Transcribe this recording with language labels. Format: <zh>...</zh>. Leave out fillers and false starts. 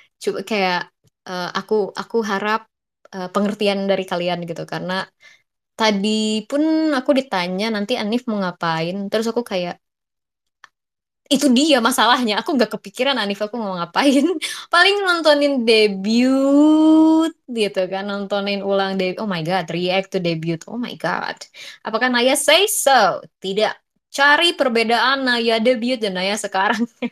<id>Coba kayak, aku harap pengertian dari kalian gitu, karena tadi pun aku ditanya nanti Anif mau ngapain, terus aku kayak, itu dia masalahnya, aku gak kepikiran Anif aku mau ngapain. Paling nontonin debut gitu kan, nontonin ulang debut.</id> <en>Oh my god, react to debut, oh my god.</en> <id>Apakah Naya</id> <en>say so?</en> <id>Tidak, cari perbedaan Naya debut dan Naya sekarang.</id>